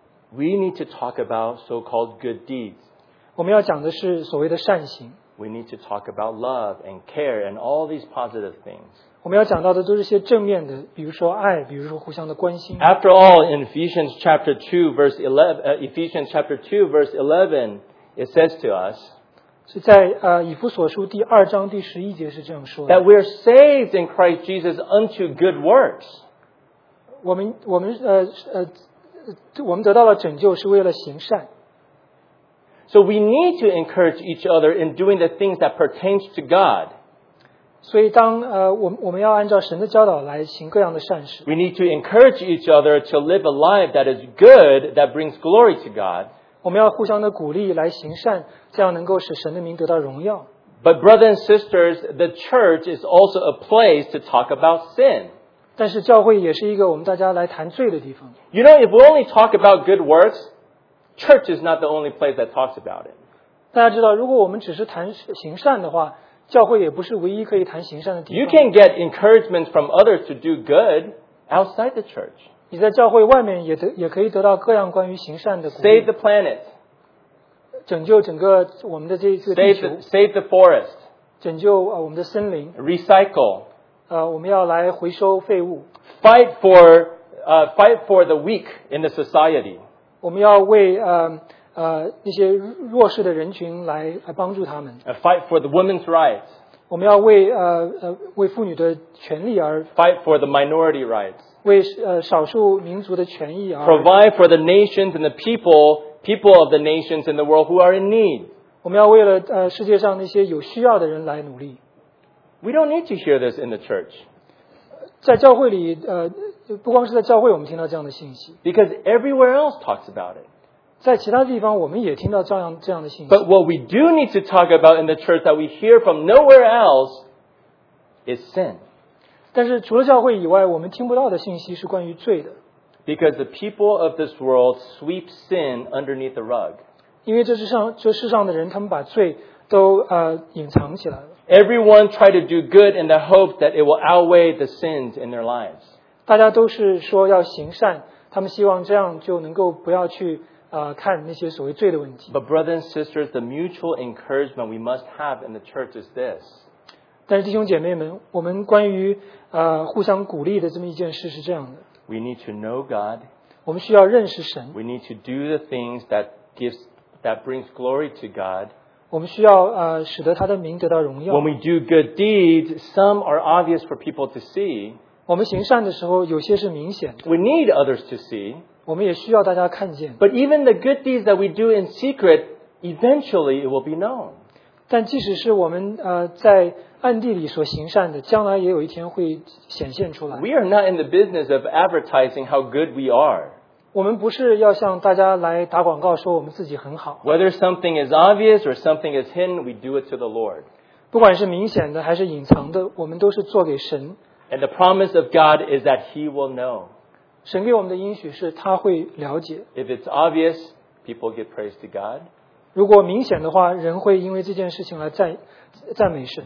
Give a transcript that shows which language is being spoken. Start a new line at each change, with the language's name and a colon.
English: We need to talk about so-called good deeds.
Chinese: 我们要讲的是所谓的善行。
English: We need to talk about love and care and all these positive things.
Chinese: 我们要讲到的都是些正面的，比如说爱，比如说互相的关心。
English: After all, in Ephesians chapter 2, verse 11, Ephesians chapter 2, verse 11,It says to us,
Chinese: 是在以弗所书第二章第十一节是这样说的
English: that we are saved in Christ Jesus unto good works.
Chinese: 我们得到了拯救是为了行善。
English: So we need to encourage each other in doing the things that pertains to God.
Chinese: 所以当我们要按照神的教导来行各样的善事。
English: We need to encourage each other to live a life that is good, that brings glory to God.
Chinese: 我们要互相的鼓励来行善，这样能够使神的名得到荣耀。
English: But brothers and sisters, the church is also a place to talk about sin.
Chinese: 但是教会也是一个我们大家来谈罪的地方。
English: You know, if we only talk about good works, church is not the only place that talks about it.
Chinese: 大家知道，如果我们只是谈行善的话，教会也不是唯一可以谈行善的地方。
English: You can get encouragement from others to do good outside the church.
Chinese: 你在教会外面 也可以得到各样关于行善的鼓励。
English: Save the planet.
Chinese: 拯救整个我们的这一次地球。
English: Save the forest.
Chinese: 拯救我们的森林。
English: Recycle.
Chinese: 我们要来回收废物。
English: Fight for the weak in the society.
Chinese: 我们要为那些弱势的人群 来帮助他们。
English: Fight for the women's rights.
Chinese: 我们要为妇女的权利而。
English: Fight for the minority rights.
Chinese: 为少数民族的权益而
English: provide for the nations and the people of the nations in the world who are in need.
Chinese: 我们要为了世界上那些有需要的人来努力。
English: We don't need to hear this in the church.
Chinese: 在教会里不光是在教会我们听到这样的信息。
English: Because everywhere else talks about it.
Chinese: 在其他地方我们也听到这样的信息。
English: But what we do need to talk about in the church that we hear from nowhere else is sin.
Chinese: 但是除了教会以外，我们听不到的信息是关于罪的。
English: Because the people of this world sweep sin underneath the rug.
Chinese: 因为这世上的人，他们把罪都隐藏起来了。
English: Everyone try to do good in the hope that it will outweigh the sins in their lives.
Chinese: 大家都是说要行善，他们希望这样就能够不要去看那些所谓罪的问题。
English: But brothers and sisters, the mutual encouragement we must have in the church is this.
Chinese: 但是弟兄姐妹们，我们关于互相鼓励的这么一件事是这样的。
English: We need to know God.
Chinese: 我们需要认识神。
English: We need to do the things that gives that brings glory to God.
Chinese: 我们需要使得他的名得到荣耀。
English: When we do good deeds, some are obvious for people to see.
Chinese: 我们行善的时候，有些是明显的。
English: We need others to see.
Chinese: 我们也需要大家看见。
English: But even the good deeds that we do in secret, eventually it will be known.
Chinese: 但即使是我们在暗地里所行善的，将来也有一天会显现出来。
English: We are not in the business of advertising how good we are.
Chinese: 我们不是要向大家来打广告说我们自己很好。
English: Whether something is obvious or something is hidden, we do it to the Lord.
Chinese: 不管是明显的还是隐藏的，我们都是做给神。
English: And the promise of God is that He will know.
Chinese: 神给我们的应许是他会了解。
English: If it's obvious, people give praise to God.
Chinese: 如果明显的话，人会因为这件事情来赞美神。